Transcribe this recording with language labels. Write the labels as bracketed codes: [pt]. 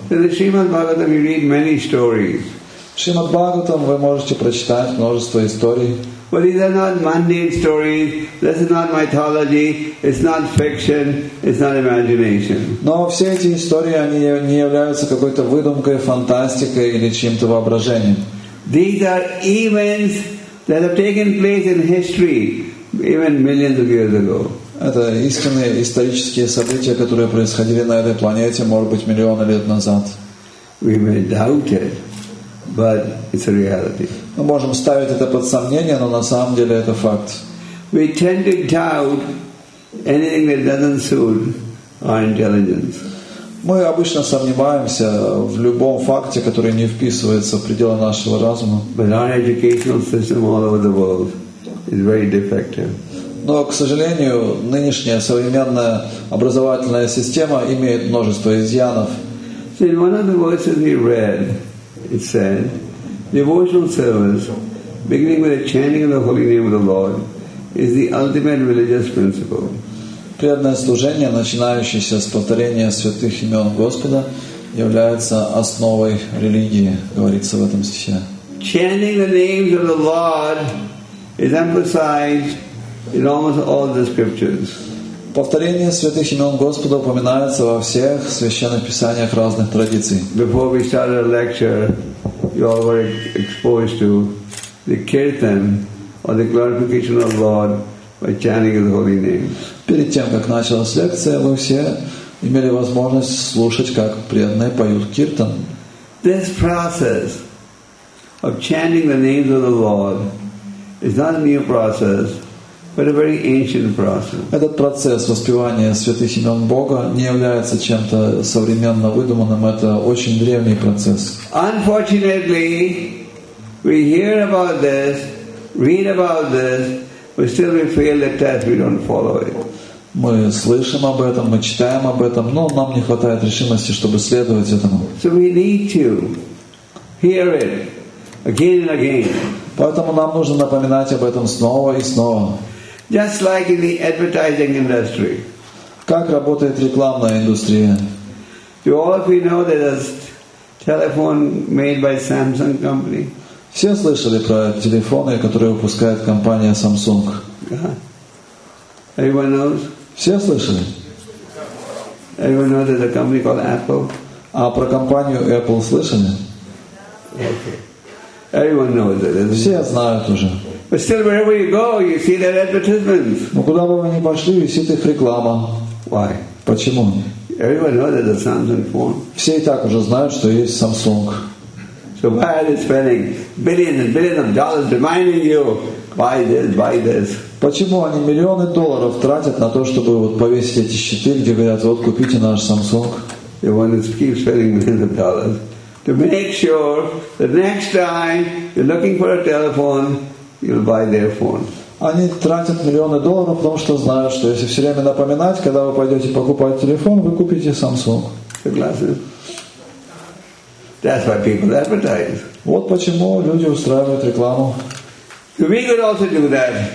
[en] In the Shrimad Bhagavatam, you read many stories. [ru] В Шримад Бхагаватам вы можете прочитать множество историй. [en] But these are not mundane stories. This is not mythology. It's not fiction. It's not imagination. [ru] Но все эти истории, они не являются какой-то выдумкой, фантастикой или чьим-то воображением. [en] These are events that have taken place in history, even millions of years ago. [ru] Это истинные исторические события, которые происходили на этой планете, может быть, миллионы лет назад. [en] We may doubt it. But it's a reality. [ru] Мы можем ставить это под сомнение, но на самом деле это факт. [en] We tend to doubt anything that doesn't suit our intelligence. [ru] Мы обычно сомневаемся в любом факте, который не вписывается в пределы нашего разума. [en] But our educational system all over the world is very defective. [ru] Но, к сожалению, нынешняя современная образовательная система имеет множество изъянов. [en] So in one of the verses we read, it said, devotional service, beginning with the chanting of the holy name of the Lord, is the ultimate religious principle. [ru] Преданное служение, начинающееся с повторения святых имен Господа, является основой религии, говорится в этом стихе. [en] Chanting the names of the Lord is emphasized in almost all the scriptures. [ru] Повторение святых имен Господа упоминается во всех священных писаниях разных традиций. [en] Before we started the lecture, you all were exposed to the kirtan or the glorification of the Lord by chanting His holy names. [ru] Перед тем, как началась лекция, вы все имели возможность слушать, как преданные поют киртан. [en] This process of chanting the names of the Lord is not a new process, but a very ancient process. [ru] Этот процесс воспевания святых имен Бога не является чем-то современно выдуманным, это очень древний процесс. [en] Unfortunately, we hear about this, read about this, but still we fail the test, we don't follow it. [ru] Мы слышим об этом, мы читаем об этом, но нам не хватает решимости, чтобы следовать этому. [en] So we need to hear it again and again. [ru] Поэтому нам нужно напоминать об этом снова и снова. [en] Just like in the advertising industry. [ru] Как работает рекламная индустрия? [en] Do all of you know that there's telephone made by Samsung company? [ru] Все слышали про телефоны, которые выпускает компания Samsung? [en] Everyone knows? [ru] Все слышали? [en] Everyone knows there's a company called Apple? [ru] А про компанию Apple слышали? [en] Okay. Everyone knows it, isn't [ru] Все знают уже. [en] But still, wherever you go, you see their advertisements. [ru] Но куда бы вы ни пошли, висит их реклама. [en] Why? [ru] Почему? [en] Everyone knows there's a Samsung phone. [ru] Все и так уже знают, что есть Samsung. [en] So why are they spending billions and billions of dollars reminding you, buy this, buy this? [ru] Почему они миллионы долларов тратят на то, чтобы вот повесить эти щиты, где говорят, вот купите наш Samsung? [en] They want to keep spending millions of dollars to make sure that next time you're looking for a telephone, you'll buy their phone. [ru] Они тратят миллионы долларов, потому что знают, что если все время напоминать, когда вы пойдете покупать телефон, вы купите Samsung. Согласен? [en] That's why people advertise. [ru] Вот почему люди устраивают рекламу. [en] So we could also do that.